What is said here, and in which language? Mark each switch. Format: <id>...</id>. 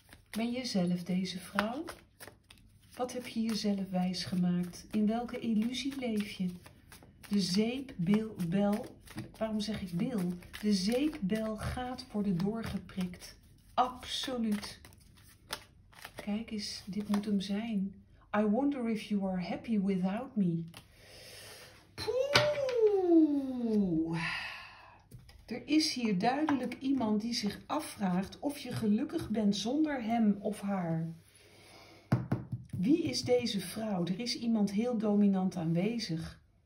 <nl>Ben je zelf deze vrouw? Wat heb je jezelf wijsgemaakt? In welke illusie leef je? De zeepbel, waarom zeg ik bil? De zeepbel gaat worden doorgeprikt. Absoluut. Kijk eens, dit moet hem zijn.</nl> <en>I wonder if you are happy without me. Poeh.</en> <nl>Er is hier duidelijk iemand die zich afvraagt of je gelukkig bent zonder hem of haar. Wie is deze vrouw? Er is iemand heel dominant aanwezig.</nl>